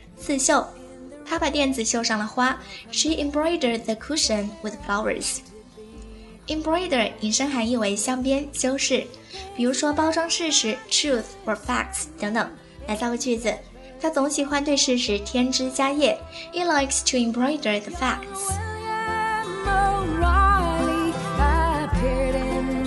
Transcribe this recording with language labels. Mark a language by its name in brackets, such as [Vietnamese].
[Chinese] 刺绣，她把垫子绣上了花。 [English] She embroidered the cushion with flowers. [Chinese] Embroider 引申含义为镶边、修饰，比如说包装事实 [English] truth or facts [Chinese] 等等。来造个句子，她总喜欢对事实添枝加叶。 [English] He likes to embroider the facts. William O'Reilly appeared in